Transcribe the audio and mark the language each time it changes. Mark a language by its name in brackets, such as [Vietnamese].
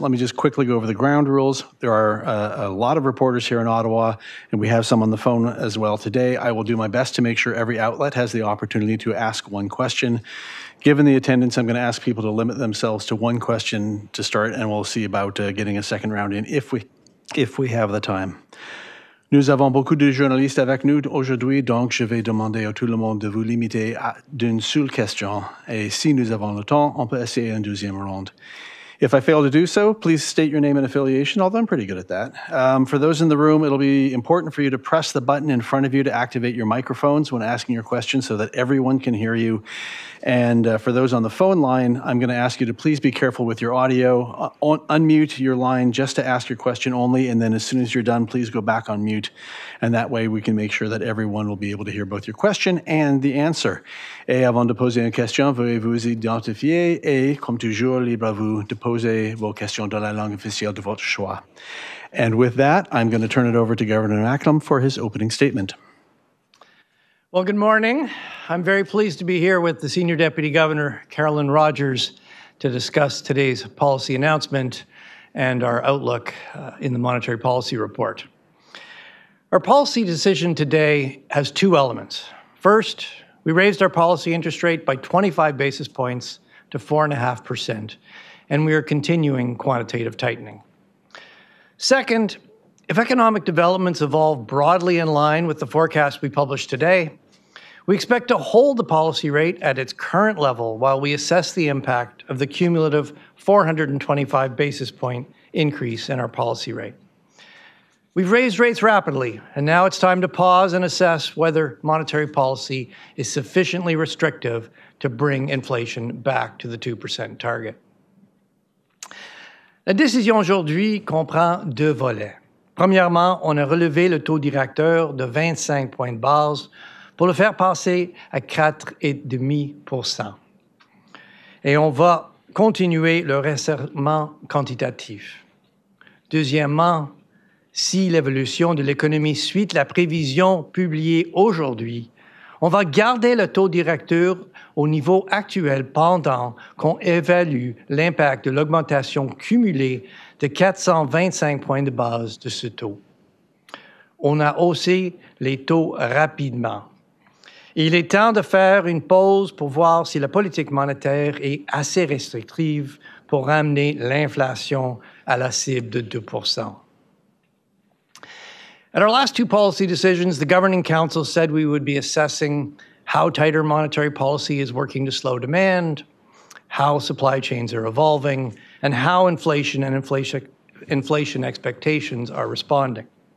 [English] Let me just quickly go over the ground rules. There are a lot of reporters here in Ottawa, and we have some on the phone as well today. I will do my best to make sure every outlet has the opportunity to ask one question. Given the attendance, I'm going to ask people to limit themselves to one question to start, and we'll see about getting a second round in if we have the time. [French] Nous avons beaucoup de journalistes avec nous aujourd'hui, donc je vais demander à tout le monde de vous limiter à une seule question. Et si nous avons le temps, on peut essayer une deuxième ronde. [English] If I fail to do so, please state your name and affiliation, although I'm pretty good at that. For those in the room, it'll be important for you to press the button in front of you to activate your microphones when asking your question so that everyone can hear you. And for those on the phone line, I'm going to ask you to please be careful with your audio. Unmute your line just to ask your question only, and then as soon as you're done, please go back on mute. And that way we can make sure that everyone will be able to hear both your question and the answer. [French] Et avant de poser une question, veuillez-vous identifier et, comme toujours, libre à vous de poser vos questions dans la langue officielle de votre choix. [English] And with that, I'm going to turn it over to Governor Macklem for his opening statement. Well, good morning. I'm very pleased to be here with the Senior Deputy Governor, Carolyn Rogers, to discuss today's policy announcement and our outlook in the monetary policy report. Our policy decision today has two elements. First, we raised our policy interest rate by 25 basis points to 4.5%, and we are continuing quantitative tightening. Second, if economic developments evolve broadly in line with the forecast we published today, we expect to hold the policy rate at its current level while we assess the impact of the cumulative 425 basis point increase in our policy rate. We've raised rates rapidly, and now it's time to pause and assess whether monetary policy is sufficiently restrictive to bring inflation back to the 2% target. [French] La décision aujourd'hui comprend deux volets. Premièrement, on a relevé le taux directeur de 25 points de base pour le faire passer à 4,5%. Et on va continuer le resserrement quantitatif. Deuxièmement, si l'évolution de l'économie suit la prévision publiée aujourd'hui, on va garder le taux directeur au niveau actuel pendant qu'on évalue l'impact de l'augmentation cumulée de 425 points de base de ce taux. On a haussé les taux rapidement. Il est temps de faire une pause pour voir si la politique monétaire est assez restrictive pour ramener l'inflation à la cible de 2%. [English] At our last two policy decisions, the Governing Council said we would be assessing how tighter monetary policy is working to slow demand, how supply chains are evolving, and how inflation and inflation expectations are responding.